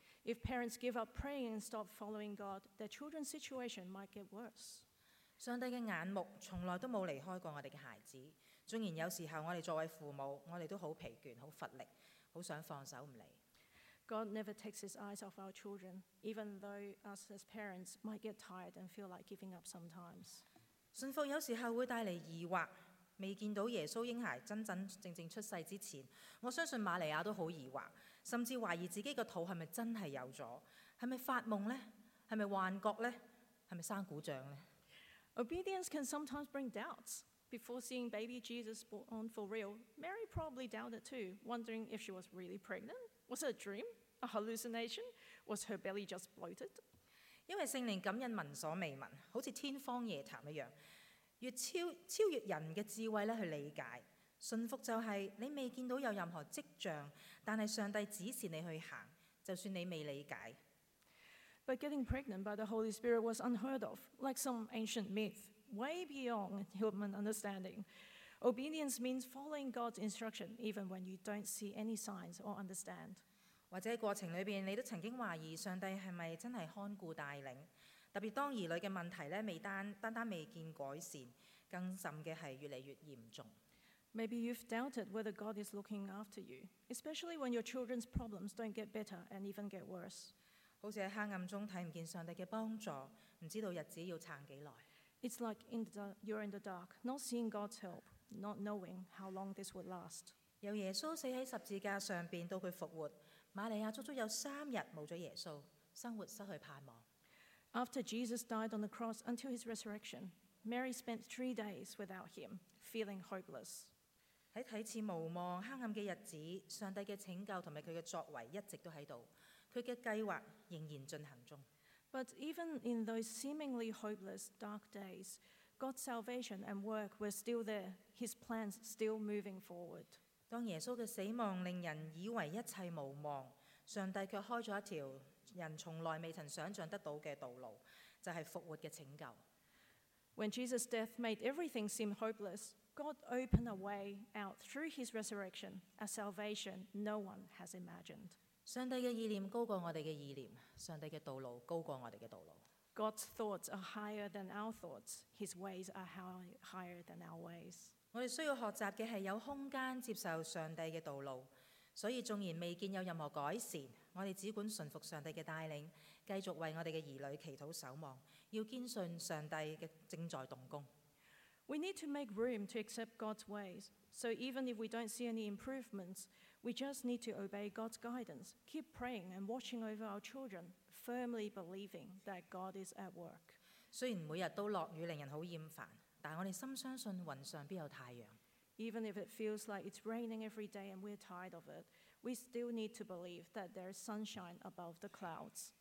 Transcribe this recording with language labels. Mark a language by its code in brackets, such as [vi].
[en] If parents give up praying and stop following God, their children's situation might get worse. [yue] 上帝的眼目从来都没有离开过我们的孩子，纵然有时候我们作为父母，我们都很疲倦、很乏力，很想放手不理。 [en] God never takes his eyes off our children, even though us as parents might get tired and feel like giving up sometimes. [yue] 信服有时候会带来疑惑，未见到耶稣婴孩真真正正出世之前，我相信玛利亚都很疑惑，甚至怀疑自己的肚是否真的有了，是否发梦呢？是否幻觉呢？是否生鼓掌呢？ [en] Obedience can sometimes bring doubts. Before seeing baby Jesus born for real, Mary probably doubted too, wondering if she was really pregnant. Was it a dream? A hallucination? Was her belly just bloated? [yue] 因为圣灵感应闻所未闻，好像天方夜谭一样，越 超越人的智慧去理解。信服就是你未见到有任何迹象，但是上帝指示你去行，就算你未理解。 [en] But getting pregnant by the Holy Spirit was unheard of, like some ancient myth, way beyond human understanding. Obedience means following God's instruction, even when you don't see any signs or understand. [yue] 或者在过程里面，你都曾经怀疑上帝是否真的看顾带领，特别当儿女的问题未 单单未见改善，更甚的是越来越严重。 [en] Maybe you've doubted whether God is looking after you, especially when your children's problems don't get better and even get worse. [yue] 好像在黑暗中看不见上帝的帮助，不知道日子要撑多久。 [en] It's like you're in the dark, not seeing God's help, not knowing how long this would last. [yue] 由耶稣死在十字架上边到他复活，玛利亚足足有三日没了耶稣，生活失去盼望。 [en] After Jesus died on the cross until his resurrection, Mary spent 3 days without him, feeling hopeless. [yue] 在看似无望黑暗的日子，上帝的拯救和他的作为一直都在，他的计划仍然进行中。 [en] But even in those seemingly hopeless dark days, God's salvation and work were still there, His plans still moving forward. [yue] 当耶稣的死亡令人以为一切无望，上帝却开了一条人从来未曾想象得到的道路，就是复活的拯救。 [en] When Jesus' death made everything seem hopeless, God opened a way out through His resurrection, a salvation no one has imagined. [yue] 上帝的意念高过我们的意念，上帝的道路高过我们的道路。 [en] God's thoughts are higher than our thoughts, His ways are higher than our ways. [yue] 我们需要学习的是有空间接受上帝的道路，所以纵然未见有任何改善，我们只管顺服上帝的带领，继续为我们的儿女祈祷守望，要坚信上帝正在动工。 [en] We need to make room to accept God's ways. So even if we don't see any improvements, we just need to obey God's guidance, keep praying and watching over our children, firmly believing that God is at work. [yue] 虽然每日都落雨令人好厌烦，但我们深相信云上必有太阳。 [en] Even if it feels like it's raining every day and we're tired of it, we still need to believe that there's sunshine above the clouds.